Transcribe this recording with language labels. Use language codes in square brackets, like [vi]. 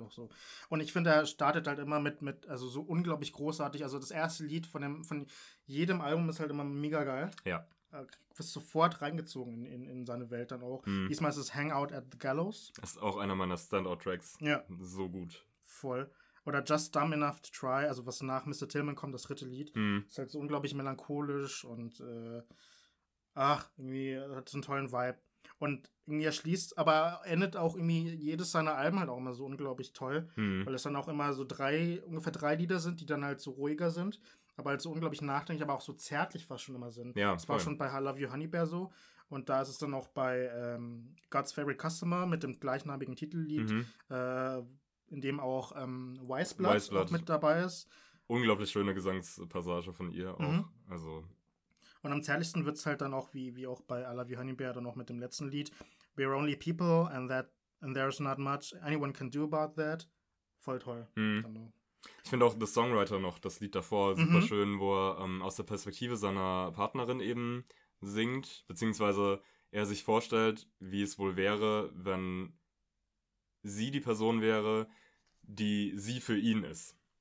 [de] Auch so. Und ich finde, er startet halt immer mit, also so unglaublich großartig. Also das erste Lied von jedem Album ist halt immer mega geil. Ja. Wirst sofort reingezogen in seine Welt dann auch. Mhm. Diesmal ist es Hangout at the Gallows. Das ist auch einer meiner Standout-Tracks. Ja. So gut. Voll. Oder Just Dumb Enough to Try, also was nach Mr. Tillman kommt, das dritte Lied. Mhm. Ist halt so unglaublich melancholisch und irgendwie hat so einen tollen Vibe. Und irgendwie erschließt, aber endet auch irgendwie jedes seiner Alben halt auch immer so unglaublich toll. Mhm. Weil es dann auch immer so ungefähr drei Lieder sind, die dann halt so ruhiger sind. Aber halt so unglaublich nachdenklich, aber auch so zärtlich fast schon immer sind. Ja, das war schon bei I Love You Honey Bear so. Und da ist es dann auch bei God's Favorite Customer mit dem gleichnamigen Titellied, in dem auch Weißblatt mit dabei ist. Unglaublich schöne Gesangspassage von ihr auch. Mhm. Also. Und am zärtlichsten wird es halt dann auch, wie auch bei I Love You Honey Bear, dann auch mit dem letzten Lied. [en] We're only people and there's not much anyone can do about that. [de] Voll toll. Mhm. Dann, ich finde auch The Songwriter noch, das Lied davor, super schön, wo er aus der Perspektive seiner Partnerin eben singt, beziehungsweise er sich vorstellt, wie es wohl wäre, wenn sie die Person wäre, die sie für ihn ist.